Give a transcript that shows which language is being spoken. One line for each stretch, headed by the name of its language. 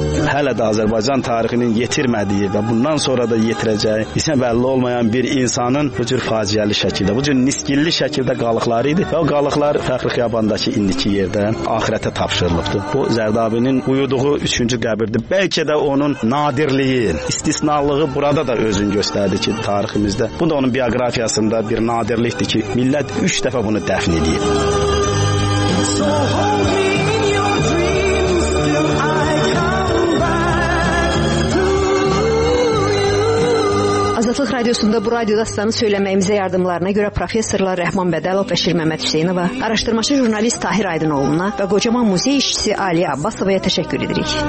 Azerbaijani: Hələ də Azərbaycan tarixinin yetirmədiyi və bundan sonra da yetirəcəyi isə bəlli olmayan bir insanın bu cür faciəli şəkildə, bu cür niskilli şəkildə qalıqları idi və o qalıqlar Fəxri Xiyabandakı indiki yerdə axirətə tapşırılıbdı. Bu Zərdabinin uyuduğu üçüncü qəbirdir. Bəlkə də onun nadirliyi, istisnalığı burada da özün göstərdi ki, tariximizdə bu da onun bioqrafiyasında bir nadirlikdir ki, millət 3 dəfə bunu dəfn edib.
English: So hold me in your dreams till I come back to you.
Azerbaijani: Azadlıq Radiosunda bu radio dastanı söyləməyimizə yardımlarına görə professorlar Rəhman Bədəlov və Şir Məhəmməd Hüseynova, araşdırmaçı jurnalist Tahir Aydınoğluna və qocaman muzey işçisi Aliyə Abbasovaya təşəkkür edirik.